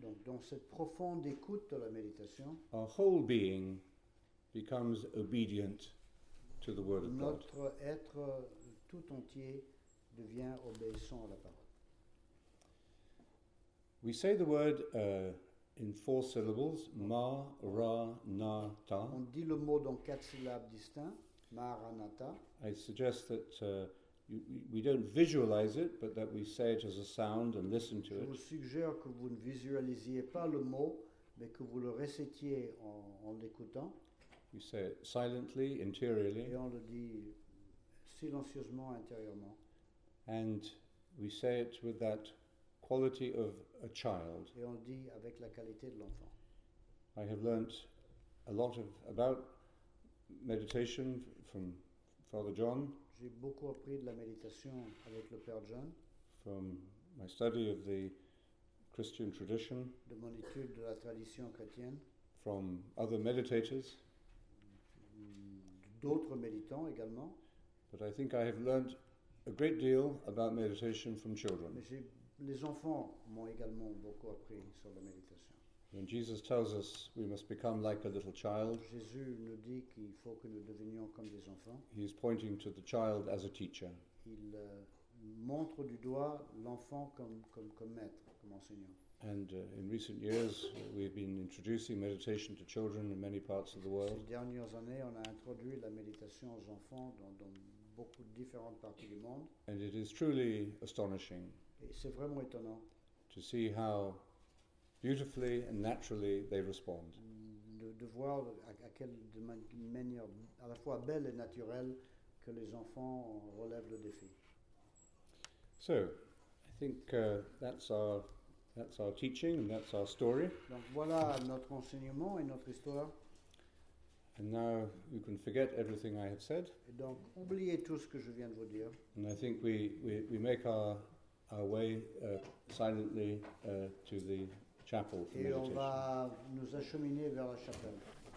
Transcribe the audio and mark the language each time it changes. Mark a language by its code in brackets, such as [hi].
[fr] donc dans cette profonde écoute de la méditation, [en] our whole being becomes obedient to the word of God. [fr] Notre être tout entier devient obéissant à la parole. [en] We say the word in four syllables, ma, ra, na, ta. [fr] On dit le mot dans quatre syllabes distinctes, ma, ra, na, ta. [en] I suggest that we don't visualize it, but that we say it as a sound and listen to it. [fr] Je vous suggère que vous ne visualisiez pas le mot, mais que vous le récitiez en l'écoutant. [en] You say it silently, interiorly. [fr] Et on le dit silencieusement, intérieurement. [en] And we say it with that quality of a child. [fr] Et on dit avec la qualité de l'enfant. [en] I have learnt a lot about meditation from Father John. [fr] J'ai beaucoup appris de la méditation avec le Père John. [en] From my study of the Christian tradition. [fr] De mon étude de la tradition chrétienne. [en] From other meditators. [fr] D'autres méditants également. [en] But I think I have learnt a great deal about meditation from children. [fr] Les enfants m'ont également beaucoup appris sur la méditation. [en] When Jesus tells us we must become like a little child, [fr] Jésus nous dit qu'il faut que nous devenions comme des enfants. [en] He is pointing to the child as a teacher. [fr] Il montre du doigt l'enfant comme maître, comme enseignant. [en] And in recent years, we've been introducing meditation to children in many parts of the world. [fr] Ces dernières années, on a introduit la méditation aux enfants dans beaucoup de différentes parties du monde. [en] And it is truly astonishing. [fr] Et c'est vraiment étonnant. [en] To see how beautifully and naturally they respond. [fr] De voir à quelle manière à la fois belle et naturelle que les enfants relèvent le défi. [en] So, I think that's our teaching and that's our story. [fr] Donc voilà notre enseignement et notre histoire. [en] And now you can forget everything I have said. [fr] Et donc oubliez tout ce que je viens de vous dire. [en] And I think we make our way silently to the chapel for [fr] meditation. Et on va nous acheminer vers la chapelle.